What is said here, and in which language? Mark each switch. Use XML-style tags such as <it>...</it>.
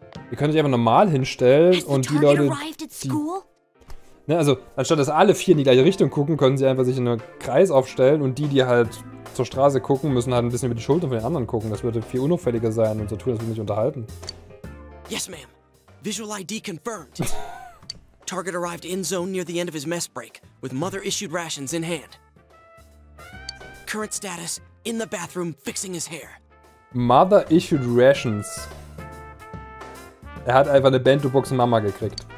<de>Ihr könnt euch einfach normal hinstellen und die Leute. Ne, also, anstatt dass alle vier in die gleiche Richtung gucken, können sie einfach sich in einen Kreis aufstellen und die, die halt zur Straße gucken, müssen halt ein bisschen über die Schultern von den anderen gucken. Das würde viel unauffälliger sein und so tun, dass wir nicht unterhalten.</de> <en>Yes, ma'am. Visual ID confirmed. Target arrived in zone near the end of his mess break, with mother-issued rations in hand. Current status, in the bathroom, fixing his hair. Mother-issued rations.</en> <de>Er hat einfach eine Bento-Box Mama gekriegt.</de>